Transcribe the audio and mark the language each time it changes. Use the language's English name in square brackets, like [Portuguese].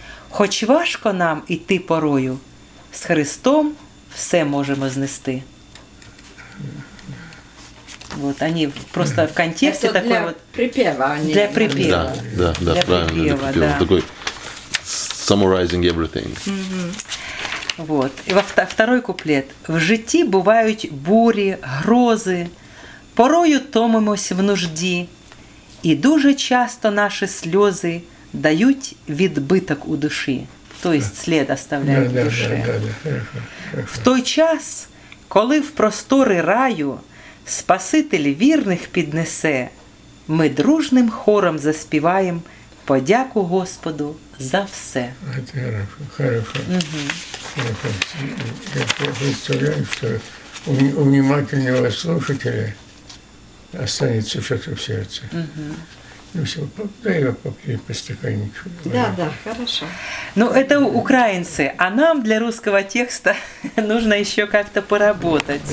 [Ukrainian] Хоч важко нам іти порою, з Христом все можемо знести». [Russian] Вот они просто в контексте такой для вот… Припева, а для припева. Да, да, да, для правильно, припева, для припева. Да. Такой… [English] Summarizing everything. Mm-hmm. [Russian] Вот. И второй куплет. [Ukrainian] В житті бувають бурі, грози, порою томимось в нужді, і дуже часто наші сльози дають відбиток у душі. [Russian] То есть [Ukrainian] слід оставляють в душі. В той час, коли в простори раю Спаситель вірних піднесе, ми дружним хором заспіваємо «Подяку Господу за все». [Russian] Это хорошо. Хорошо. Угу. Я представляю, что у внимательного слушателя останется что-то в сердце. Угу. Ну, все, дай его попить по стаканчику. Да, да, да, хорошо. Ну, это украинцы, а нам для русского текста нужно еще как-то поработать.